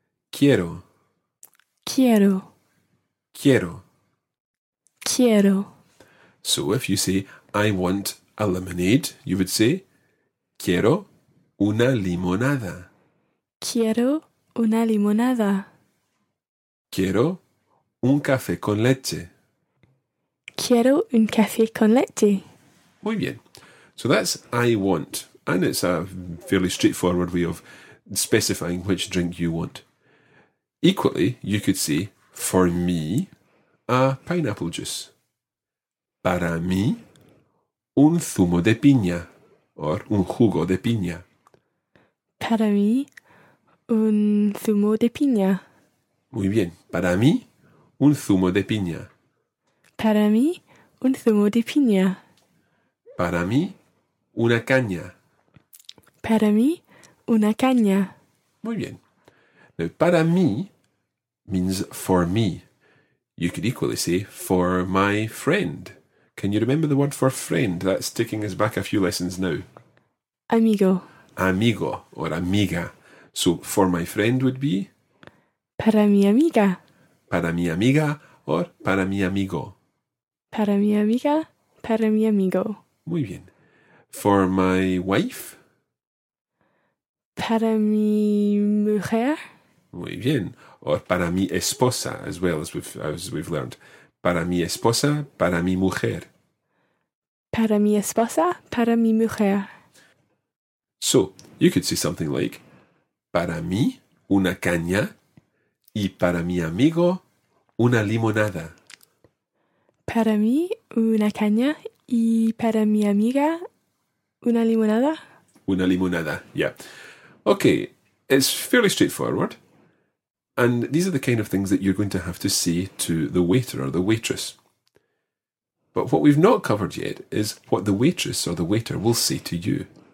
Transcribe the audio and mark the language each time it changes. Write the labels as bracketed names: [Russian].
[Spanish] Quiero. Quiero. Quiero. Quiero. [English] So, if you say, I want a lemonade, you would say, [Spanish] quiero una limonada. Quiero una limonada. Quiero un café con leche. Quiero un café con leche. Muy bien. [English] So that's I want. And it's a fairly straightforward way of specifying which drink you want. Equally, you could say, for me, a pineapple juice. [Spanish] Para mí, un zumo de piña. Or un jugo de piña. Para mí, un zumo de piña. Muy bien. Para mí, un zumo de piña. Para mí, un zumo de piña. Para mí, una caña. Para mí, una caña. Muy bien. [English] Now, para mí means for me. You could equally say for my friend. Can you remember the word for friend? That's taking us back a few lessons now. [Spanish] Amigo. Amigo or amiga. [English] So for my friend would be? [Spanish] Para mi amiga. Para mi amiga or para mi amigo. Para mi amiga, para mi amigo. Muy bien. [English] For my wife? [Spanish] Para mi mujer. Muy bien. [English] Or [Spanish] para mi esposa, [English] as well as we've learned. [Spanish] Para mi esposa, para mi mujer. Para mi esposa, para mi mujer. [English] So, you could say something like, [Spanish] para mí, una caña, y para mi amigo, una limonada. Para mí, una caña, y para mi amiga, una limonada. Una limonada, yeah. [English] Okay, it's fairly straightforward. And these are the kind of things that you're going to have to say to the waiter or the waitress. But what we've not covered yet is what the waitress or the waiter will say to you.